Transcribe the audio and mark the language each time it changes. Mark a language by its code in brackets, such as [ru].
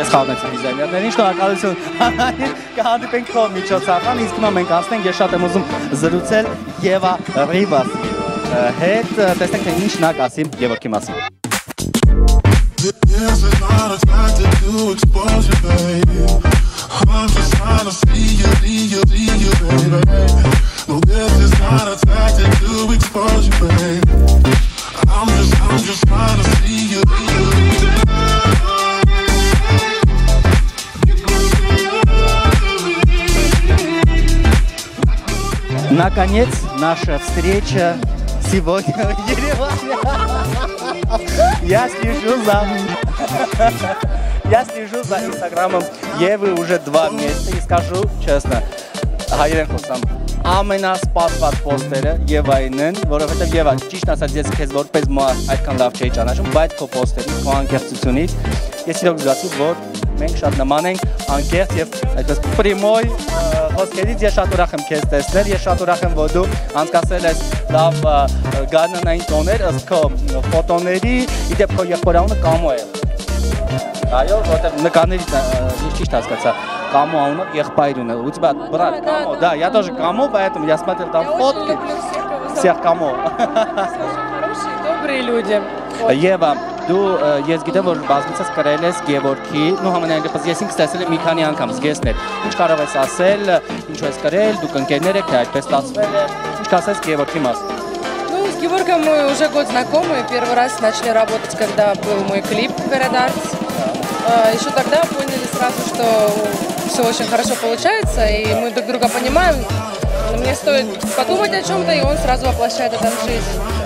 [hy] Ես խաղացա դիզայներներին, շնորհակալություն։ Կհանդիպենք քո միջոցառման, իսկ հիմա մենք ասենք, ես շատ եմ ուզում զրուցել Եվա Ռիվաս հետ, տեսնենք թե ինչ նա կասի Գևորգի մասին։ [en] This is not a time to do exposure, babe. I'm just trying to see you, baby. No, this is not a time to do exposure, babe. I'm just trying to see you. [ru] Наконец наша встреча сегодня в Ереване. Я слежу за инстаграмом Евы уже 2 месяца и скажу честно, [hy] Հայերեն խոսամ, ամենասպասված պոստերը Եվային են, որովհետև Եվան ճիշտ ասած ես քեզ որպես մարդ այդքան լավ չէի ճանաչում, բայց քո պոստերի, քո անկեղծությունից ես իրոք զգացի, որ մենք շատ նման ենք, անկեղծ եւ այդպես պրիմոյ խոսքերից ես շատ ուրախ եմ քեզ տեսնել, ես շատ ուրախ եմ, որ դու անցկացրել ես լավ գարնանային տոներ, ըստ քո ֆոտոների, իդեպ քո եղբորանը Կամո է։ Այո, որտեղ նկարներից ճիշտ հասկացա։ Կամո անունը եղբայրն է։ Ուզում եմ բրատ Կամո, [ru] да, я тоже Камо, поэтому я смотрел там фотки. Всех Камо. Хорошие, добрые люди. [hy] Եվա, դու ես գիտեմ, որ բազմիցս կրել ես Գևորգի, ու համենայն դեպքում ես ինքս տեսել եմ մի քանի անգամ զգեստներ։ Ինչ կարող ես ասել, ինչու ես կրել, դուք ընկերներ եք, թե այդպես ստացվել է։ Ինչ կասես Գևորգի մասին։ [ru] Գևորգը мы уже год знакомы, первый раз начали работать, когда был мой клип Paradise. Еще тогда поняли сразу, что все очень хорошо получается, и мы друг друга понимаем. Мне стоит подумать о чем-то, и он сразу воплощает это в жизнь.